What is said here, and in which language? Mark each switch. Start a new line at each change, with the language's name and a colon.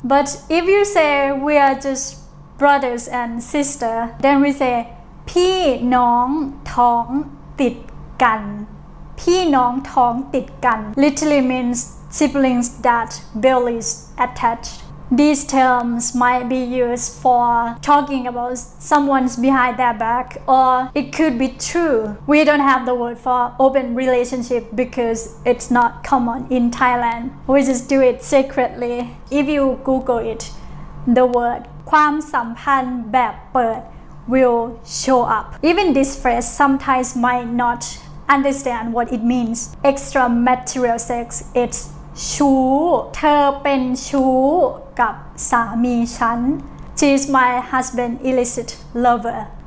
English: But if you say we are just brothers and sister, then we say
Thai: พี่น้องท้องติดกันพี่น้องท้องติดกัน
English: literally means siblings that belly is attached. These terms might be used for talking about someone's behind their back, or it could be true. We don't have the word for open relationship because it's not common in Thailand. We just do it secretly. If you Google it, the word
Thai: ความสัมพันธ์แบบเปิด
English: will show up. Even this phrase sometimes might not understand what it means. Extramarital sex, it's
Thai: ชู้เธอเป็นชู้กับสามีฉัน
English: She is my husband illicit lover.